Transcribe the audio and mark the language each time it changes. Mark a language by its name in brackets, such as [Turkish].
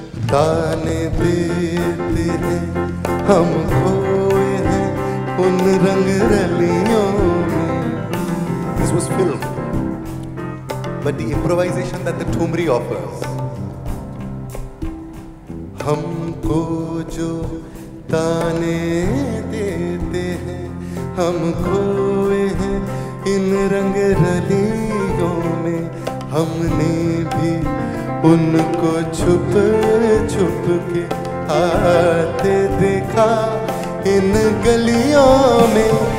[Hindi] ताने देते हैं हम खोए हैं उन रंग रलियों में। [English] This was film, but the improvisation that the Thumri offers. [Hindi] हमको जो ताने देते हैं हम खोए हैं इन रंग रलियों में, हमने भी उनको छुप छुप के आते देखा इन गलियों में।